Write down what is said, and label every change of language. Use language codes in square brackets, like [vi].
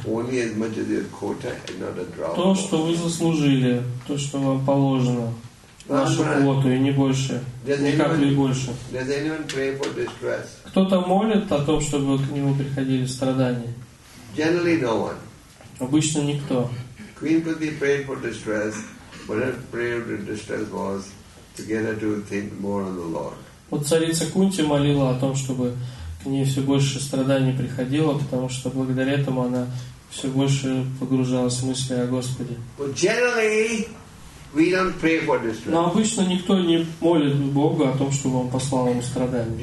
[en] Only as much as your quota and not a drop. [ru] То, что вы заслужили, то, что вам положено, вашу квоту, и не больше, ни капли больше. [en] Does anyone pray for distress? [ru] Кто-то молит о том, чтобы к нему приходили страдания? [en] Generally no one. [ru] Обычно никто. [en] Queen could be prayed for distress, but her prayer to distress was to get her to think more on the Lord. [ru] Вот царица Кунти молила о том, чтобы к ней все больше страданий приходило, потому что благодаря этому она все больше погружалась в мысли о Господе. [en] But generally, we don't pray for distress. [ru] Но обычно никто не молит Бога о том, чтобы он послал ему страдания.